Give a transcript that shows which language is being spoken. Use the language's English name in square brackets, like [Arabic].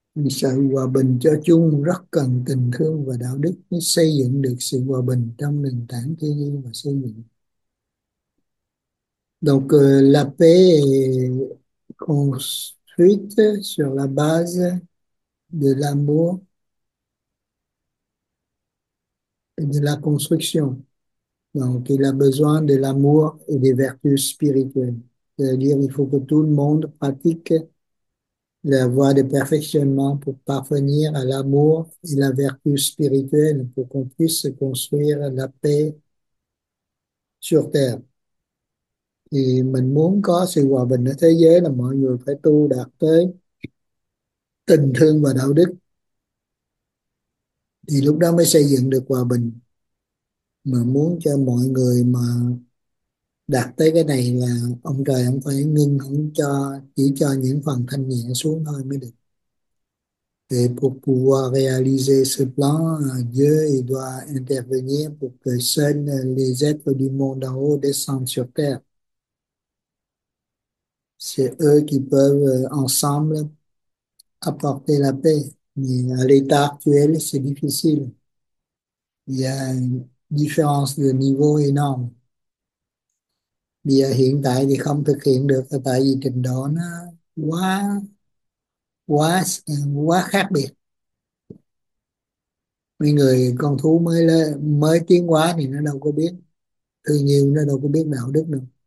[Vietnamese] Sự hòa bình cho chung rất cần tình thương và đạo đức mới xây dựng được sự hòa bình trong nền tảng thiên nhiên và xây dựng. [French] Donc, la paix est construite sur la base de l'amour et de la construction. Donc, il a besoin de l'amour et des vertus spirituelles. C'est-à-dire, il faut que tout le monde pratique la voie de perfectionnement pour parvenir à l'amour et la vertu spirituelle pour qu'on puisse construire la paix sur Terre. [Vietnamese] Et mình muốn có sự hòa bình ở thế giới là mọi người phải tu đạt tới tình thương và đạo đức. Thì lúc đó mới xây dựng được hòa bình. Mà muốn cho mọi người mà đạt tới cái này là ông trời không phải ngưng không cho chỉ cho những phần thanh nhẹ xuống thôi mới được. [French] Et pour pouvoir réaliser ce plan, Dieu doit intervenir pour que seuls les êtres du monde en haut descendent sur Terre. C'est eux qui peuvent ensemble apporter la paix. Mais à l'état actuel, c'est difficile. Il y a une différence de niveau énorme. [Vietnamese] Bây giờ hiện tại thì không thực hiện được tại vì trình độ nó quá quá quá khác biệt. Mấy người con thú mới lên, mới tiến hóa thì nó đâu có biết tự nhiên, nó đâu có biết đạo đức đâu.